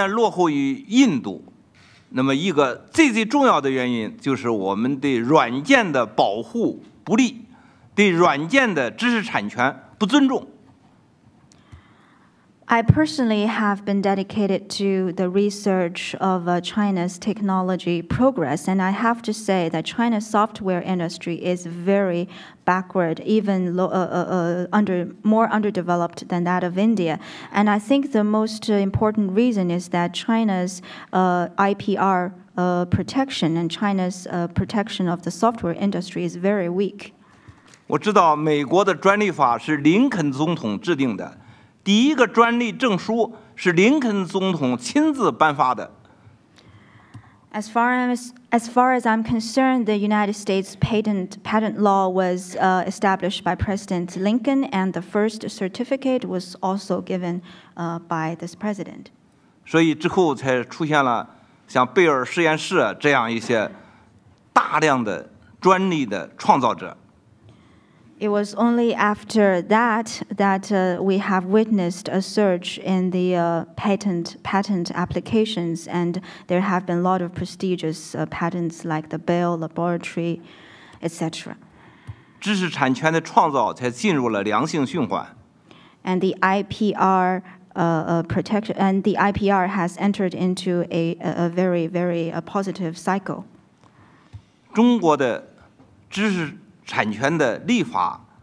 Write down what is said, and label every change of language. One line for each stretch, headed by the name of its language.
Chinese: 我先生长期研究中国技术进步问题，我们的软件始终没有发展起来，远远落后于印度。那么，一个最重要的原因就是我们对软件的保护不力，对软件的知识产权不尊重。
English: I personally have been dedicated to the research of China's technology progress, and I have to say that China's software industry is very backward, even more underdeveloped than that of India. And I think the most important reason is that China's IPR protection and China's protection of the software industry is very weak.
Chinese: 我知道美国的专利法是林肯总统制定的，第一个专利证书是林肯总统亲自颁发的。
English: As far as I'm concerned, the United States patent law was established by President Lincoln, and the first certificate was also given by this president.
Chinese: 所以之后才出现了像贝尔实验室这样一些大量的专利的创造者。
English: It was only after that we have witnessed a surge in the patent applications, and there have been a lot of prestigious patents like the Bell Laboratory, etc.
Chinese: 知识产权的创造才进入了良性循环。
English: And the IPR protection and the IPR has entered into a very very positive cycle.
Chinese: 中国的知识产权的立法。